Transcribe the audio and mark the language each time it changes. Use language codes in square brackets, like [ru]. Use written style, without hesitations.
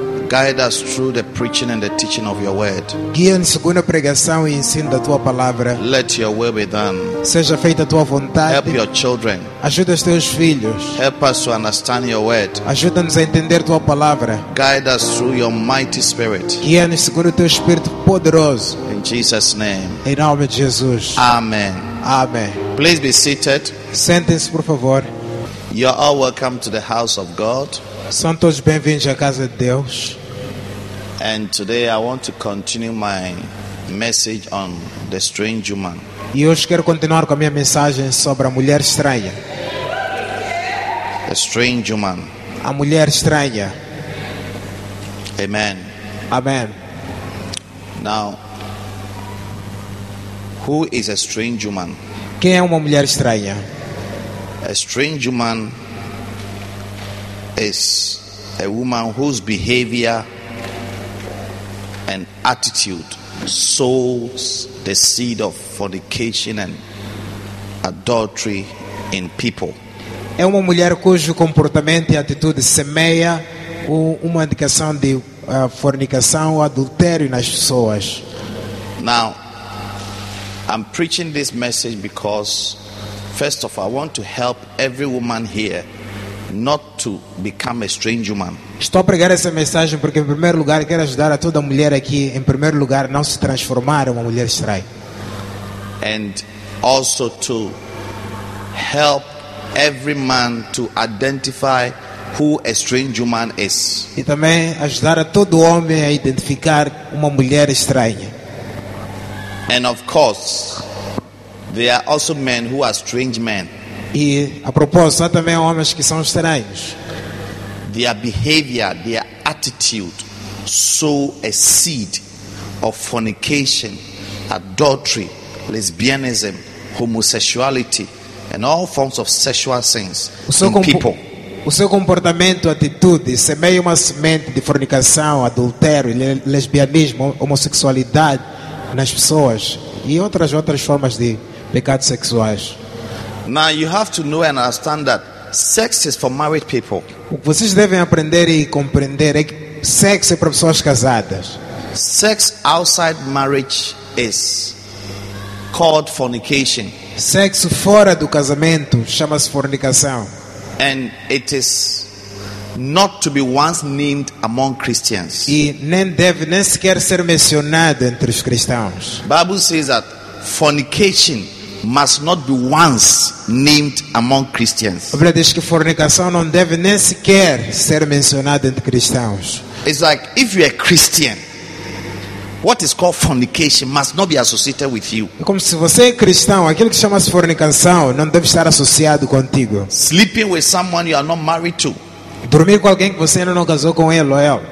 [en] Guide us through the preaching and the teaching of your word. [pt] Guia-nos segundo a pregação e ensino da tua palavra. [en] Let your will be done. [pt] Seja feita a tua vontade. [en] Help your children. [pt] Ajuda os teus filhos. [en] Help us to understand your word. [pt] Ajuda-nos a entender tua palavra. [en] Guide us through your mighty spirit. [pt] Guia-nos segundo o teu espírito poderoso. [en] In Jesus' name. [pt] Em nome de Jesus. [en] Amen. [pt] Amen. [en] Please be seated. [pt] Sentem-se, por favor. [en] You are all welcome to the house of God. [pt] São todos bem-vindos à casa de Deus. [en] And today I want to continue my message on the strange woman. [pt] E hoje quero continuar com a minha mensagem sobre a mulher estranha. [en] The strange woman. [pt] A mulher estranha. [en] Amen. [pt] Amen. [en] Now, who is a strange woman? [pt] Quem é uma mulher estranha? [en] A strange woman is a woman whose behavior and attitude sows the seed of fornication and adultery in people. [pt] É uma mulher cujo comportamento e atitude semeia uma indicação de fornicação ou adultério nas pessoas. [en] Now, I'm preaching this message because first of all, I want to help every woman here not to become a strange woman. [pt] Estou a pregar essa mensagem porque, em primeiro lugar, quero ajudar a toda mulher aqui, em primeiro lugar, não se transformar em uma mulher estranha. [en] And also to help every man to identify who a strange woman is. [pt] E também ajudar a todo homem a identificar uma mulher estranha. [en] And of course, there are also men who are strange men. [pt] E a propósito, há também homens que são estranhos. [en] Their behavior, their attitude, sow a seed of fornication, adultery, lesbianism, homosexuality, and all forms of sexual sins in people. [pt] O seu comportamento, atitude, semeia uma semente de fornicação, adultério, lesbianismo, homossexualidade nas pessoas e outras formas de pecados sexuais. [en] Now you have to know and understand that sex is for married people. [pt] O que vocês devem aprender e compreender é que sexo é para pessoas casadas. [en] Sex outside marriage is called fornication. [pt] Sexo fora do casamento chama-se fornicação. [en] And it is not to be once named among Christians. [pt] E nem deve nem sequer ser mencionado entre os cristãos. [en] Bible says that fornication must not be once named among Christians. [pt] A Bíblia diz que fornicação não deve nem sequer ser mencionada entre cristãos. [en] It's like if you're a Christian, what is called fornication must not be associated with you. [pt] É como se você é cristão, aquilo que chama-se fornicação não deve estar associado contigo. [en] Sleeping with someone you are not married to. [pt] Dormir com alguém que você ainda não casou com ele ou ela.